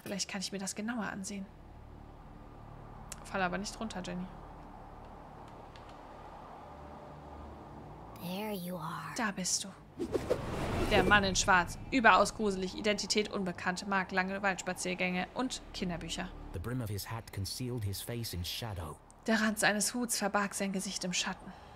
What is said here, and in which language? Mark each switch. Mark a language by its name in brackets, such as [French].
[German] Vielleicht kann ich mir das genauer ansehen. Falle aber nicht runter, Jenny. [English] There you are. [German] Da bist du. Der Mann in Schwarz, überaus gruselig, Identität unbekannt, mag lange Waldspaziergänge und Kinderbücher. [English] The brim of his hat concealed his face in shadow. [German] Der Rand seines Huts verbarg sein Gesicht im Schatten.